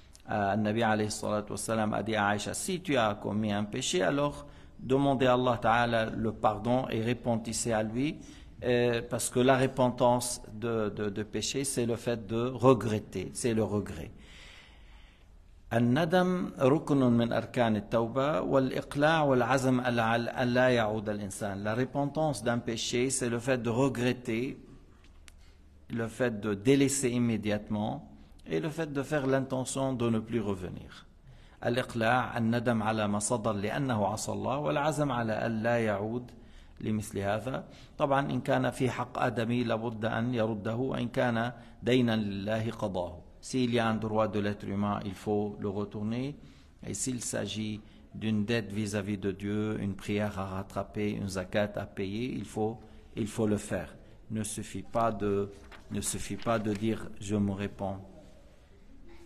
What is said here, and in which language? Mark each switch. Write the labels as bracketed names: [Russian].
[Arabic] النبي عليه الصلاة والسلام أدي عائشة: [French] Si tu as commis un péché, alors demandez à Allah Ta'ala le pardon et repentissez à lui. Parce que la repentance de péché, c'est le fait de regretter, c'est le regret. [Arabic] الندم ركن من أركان التوبة والإقلاع والعزم ألا يعود الإنسان. [French] La repentance d'un péché, c'est le fait de regretter, le fait de délaisser immédiatement et le fait de faire l'intention de ne plus revenir. [Arabic] الإقلاع الندم على ما صدر لأنه عصى الله، والعزم على ألا يعود لمثل هذا. طبعا إن كان في حق آدمي لابد أن يرده، وإن كان دينا لله قضاه. [French] S'il y a un droit de l'être humain, il faut le retourner. Et s'il s'agit d'une dette vis-à-vis de Dieu, une prière à rattraper, une zakat à payer, il faut le faire. Ne suffit pas de dire « je me répands ».